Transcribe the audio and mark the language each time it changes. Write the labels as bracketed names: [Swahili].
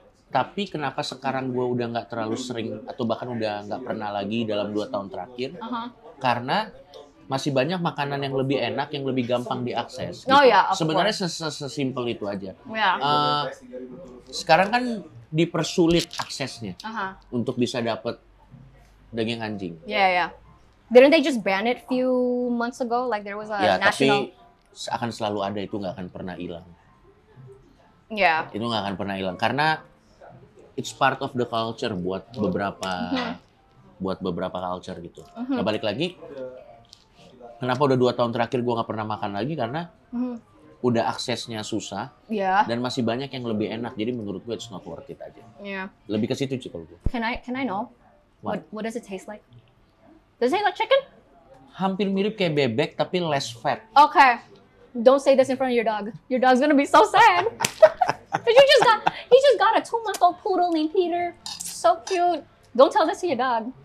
[Indonesian] Tapi kenapa sekarang gue udah gak terlalu sering atau bahkan udah gak pernah lagi dalam 2 tahun terakhir? Karena masih banyak makanan yang lebih enak, yang lebih gampang diakses. [English] Gitu. Oh, yeah, [Indonesian] sebenarnya sesimpel itu aja. [English] Yeah. [Indonesian] Sekarang kan dipersulit aksesnya untuk bisa dapat daging anjing. [English] Yeah. Didn't they just ban it few months ago? Like there was a national. [Indonesian] Tapi akan selalu ada, itu nggak akan pernah hilang. [English] Yeah. [Indonesian] Itu nggak akan pernah hilang karena [English] it's part of the culture [Indonesian] buat beberapa buat beberapa culture gitu. Nah, balik lagi, kenapa udah 2 tahun terakhir gue nggak pernah makan lagi karena udah aksesnya susah dan masih banyak yang lebih enak, jadi menurut gue [English] it's not worth it [Indonesian] aja. Lebih ke situ sih kalau gue. [English] Can I know what does it taste like? Does it taste like chicken? [Indonesian] Hampir mirip kayak bebek tapi [English] less fat. Okay, don't say this in front of your dog. Your dog's gonna be so sad. he just got a 2-month-old poodle named Peter. So cute. Don't tell this to your dog.